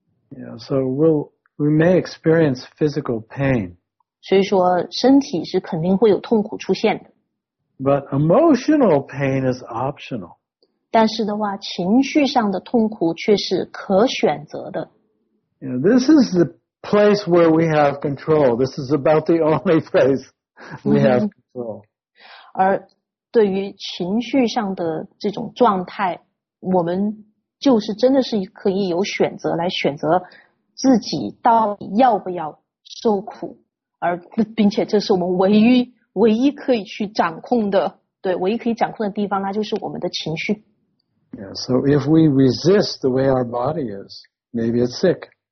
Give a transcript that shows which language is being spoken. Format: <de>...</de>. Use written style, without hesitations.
<en>Yeah, so we may experience physical pain.</en> <zh>所以说身体是肯定会有痛苦出现的。</zh> <en>But emotional pain is optional.</en> <zh>但是的话，情绪上的痛苦却是可选择的。</zh> <en>Yeah, this is the place where we have control. This is about the only place we have control.</en> <zh>而对于情绪上的这种状态，我们就是真的是可以有选择来选择自己到底要不要受苦，而并且这是我们唯一可以去掌控的，对，唯一可以掌控的地方，那就是我们的情绪。</zh> <en>Yeah, so if we resist the way our body is, maybe it's sick.</en>